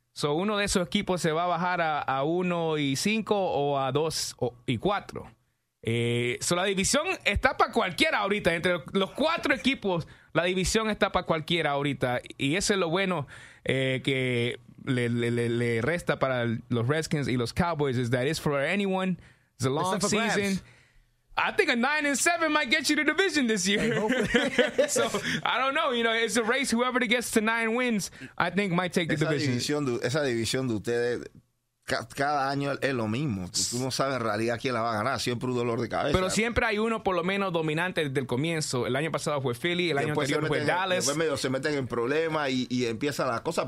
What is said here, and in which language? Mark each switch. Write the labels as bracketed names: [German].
[Spanish] So, uno de esos equipos se va a bajar a 1-5 o a 2-4. So, la división está para cualquiera ahorita. Entre los cuatro equipos, la división está para cualquiera ahorita. Y eso es lo bueno que le resta para los Redskins y los Cowboys. [English] Is that it's for anyone. It's a long season. I think a 9-7 might get you the division this year. So, I don't know. You know, it's a race. Whoever gets to 9 wins, I think might take the [Spanish] esa [English] division. [Spanish] División de, esa división de ustedes, cada año es lo mismo. Tú no sabes en realidad quién la va a ganar. Siempre un dolor de cabeza. Pero siempre hay uno, por lo menos, dominante desde el comienzo. El año pasado fue Philly. El año anterior fue Dallas. Después medio se meten en problemas y empiezan las cosas.